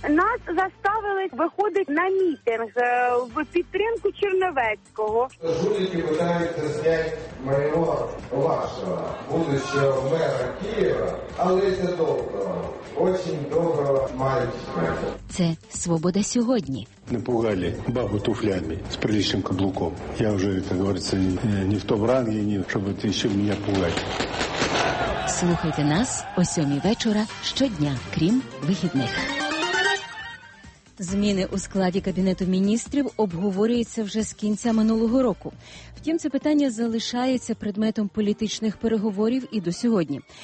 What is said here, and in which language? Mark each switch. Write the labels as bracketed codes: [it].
[uk] Нас заставили виходити на мітинг в підтримку Черновецького. Журники вважають зняття майно вашого [ru] будущого [uk] мера Києва, але це доброго, дуже доброго [ru] мальчика. [uk] Це «Свобода сьогодні». [ru] Напугали бабу туфлями с приличным каблуком. Я уже, как говорится, не в том ранге, не, чтобы ты еще меня пугать. [uk] Слухайте нас о 7 вечора щодня, крім вихідних. Зміни у складі Кабінету міністрів обговорюються вже з кінця минулого року. Втім, це питання залишається предметом політичних переговорів і до сьогодні.